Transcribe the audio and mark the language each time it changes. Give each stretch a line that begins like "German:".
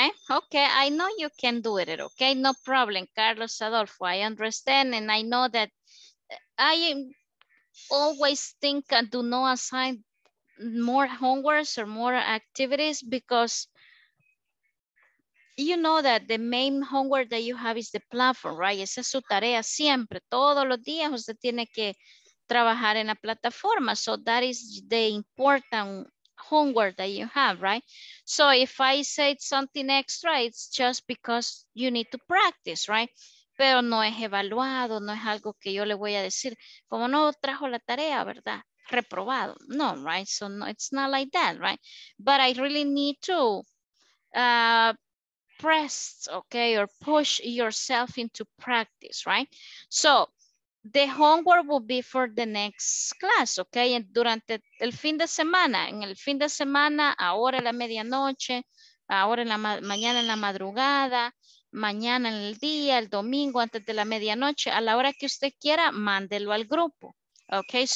English: Okay, I know you can do it, okay? No problem, Carlos Adolfo, I understand, and I know that I always think and do not assign more homeworks or more activities because you know that the main homework that you have is the platform, right?
Spanish: Esa es su tarea siempre. Todos los días usted tiene que trabajar en la plataforma.
English: So that is the important homework that you have, right? So if I say something extra, it's just because you need to practice, right?
Spanish: Pero no es evaluado, no es algo que yo le voy a decir. Como no trajo la tarea, ¿verdad? Reprobado. No, right?
English: So no, it's not like that, right? But I really need to press, okay, or push yourself into practice, right? So the homework will be for the next class, okay?
Spanish: And durante el fin de semana, en el fin de semana, ahora en la medianoche, ahora en la mañana en la madrugada, mañana en el día, el domingo antes de la medianoche, a la hora que usted quiera, mándelo al grupo, okay?